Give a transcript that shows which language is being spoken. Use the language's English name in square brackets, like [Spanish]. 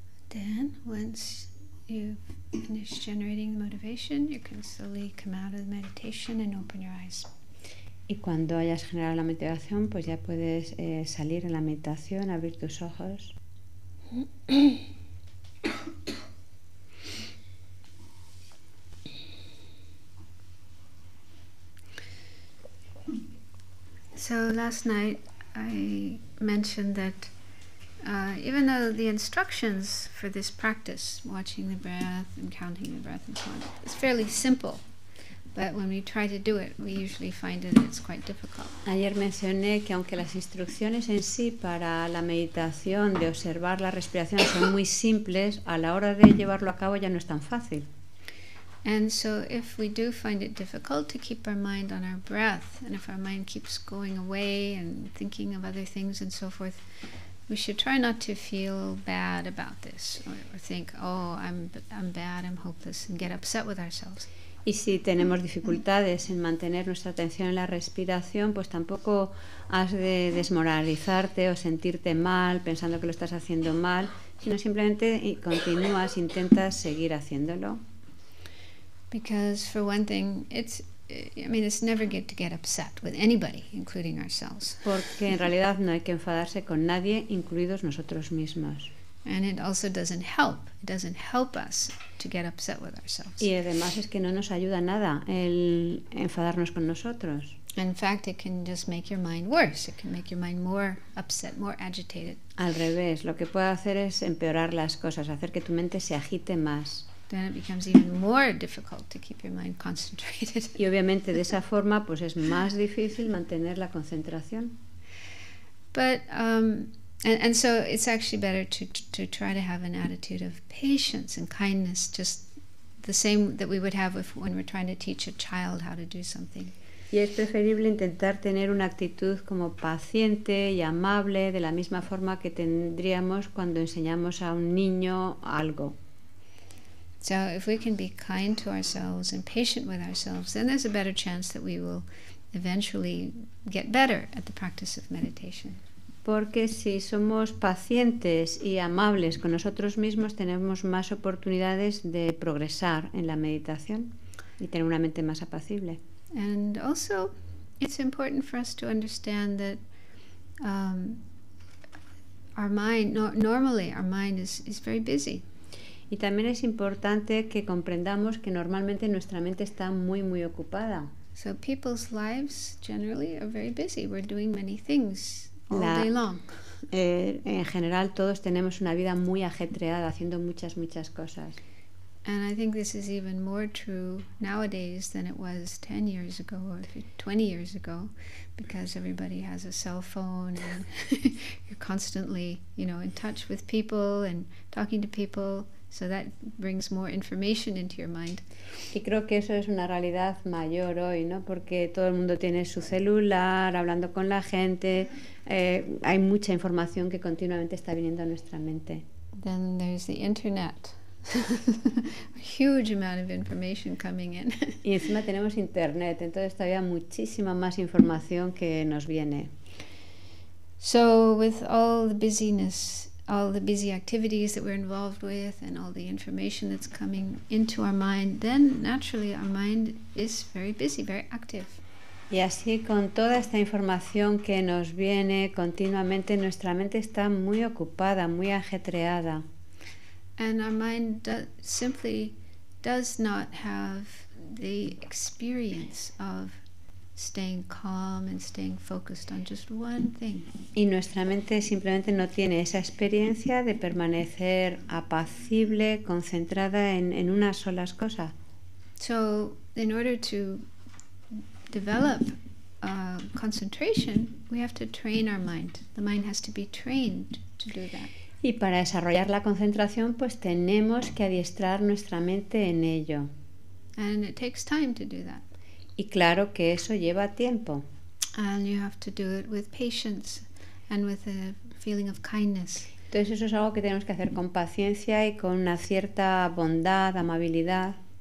[English] Then, once you've finished generating the motivation, you can slowly come out of the meditation and open your eyes. [Spanish] Y cuando hayas generado la motivación, pues ya puedes salir de la meditación, abrir tus ojos. [English] So last night I mentioned that even though the instructions for this practice, watching the breath and counting the breath and so on, is fairly simple, but when we try to do it, we usually find that it's quite difficult. [Spanish] Ayer mencioné que aunque las instrucciones en sí para la meditación de observar la respiración son muy simples, a la hora de llevarlo a cabo ya no es tan fácil. [English] And so if we do find it difficult to keep our mind on our breath, and if our mind keeps going away and thinking of other things and so forth, we should try not to feel bad about this or think, oh, I'm bad, I'm hopeless, and get upset with ourselves. [Spanish] Y si tenemos dificultades en mantener nuestra atención en la respiración, pues tampoco has de desmoralizarte o sentirte mal pensando que lo estás haciendo mal, sino simplemente continúas, intentas seguir haciéndolo. [English] Because for one thing, it's never good to get upset with anybody, including ourselves. [Spanish] Porque en realidad no hay que enfadarse con nadie, incluidos nosotros mismos. [English] And it also doesn't help. It doesn't help us to get upset with ourselves. [Spanish] Y además es que no nos ayuda nada el enfadarnos con nosotros. [English] In fact, it can just make your mind worse. It can make your mind more upset, more agitated. [Spanish] Al revés, lo que puede hacer es empeorar las cosas, hacer que tu mente se agite más. [English] Then it becomes even more difficult to keep your mind concentrated. [Spanish] Y obviamente de esa forma pues es más difícil mantener la concentración. [English] But and so it's actually better to try to have an attitude of patience and kindness, just the same that we would have when we're trying to teach a child how to do something. [Spanish] Y es preferible intentar tener una actitud como paciente y amable, de la misma forma que tendríamos cuando enseñamos a un niño algo. [English] So if we can be kind to ourselves and patient with ourselves, then there's a better chance that we will eventually get better at the practice of meditation. [Spanish] Porque si somos pacientes y amables con nosotros mismos, tenemos más oportunidades de progresar en la meditación y tener una mente más apacible. [English] And also, it's important for us to understand that our mind, normally our mind is very busy. [Spanish] Y también es importante que comprendamos que normalmente nuestra mente está muy, muy ocupada. [English] So people's lives generally are very busy. We're doing many things all day long. [Spanish] En general, todos tenemos una vida muy ajetreada, haciendo muchas, muchas cosas. [English] And I think this is even more true nowadays than it was 10 years ago or 20 years ago, because everybody has a cell phone and you're constantly, you know, in touch with people and talking to people. So that brings more information into your mind. [Spanish] Y creo que eso es una realidad mayor hoy, ¿no? Porque todo el mundo tiene su celular, hablando con la gente. Hay mucha información que continuamente está viniendo a nuestra mente. [English] Then there's the internet. Huge amount of information coming in. [Spanish] Y encima tenemos internet, entonces todavía muchísima más información que nos viene. [English] So with all the busyness, all the busy activities that we're involved with and all the information that's coming into our mind, then naturally our mind is very busy, very active. [Spanish] Y así con toda esta información que nos viene continuamente, nuestra mente está muy ocupada, muy ajetreada. [English] And our mind simply does not have the experience of staying calm and staying focused on just one thing. [Spanish] Y nuestra mente simplemente no tiene esa experiencia de permanecer apacible, concentrada en una sola cosa. [English] So, in order to develop concentration, we have to train our mind. The mind has to be trained to do that. [Spanish] Y para desarrollar la concentración, pues tenemos que adiestrar nuestra mente en ello. [English] And it takes time to do that. [Spanish] Y claro que eso lleva tiempo. [English] And you have to do it with patience and with a feeling of kindness. [Spanish] Entonces eso es algo que tenemos que hacer con paciencia y con una cierta bondad, amabilidad.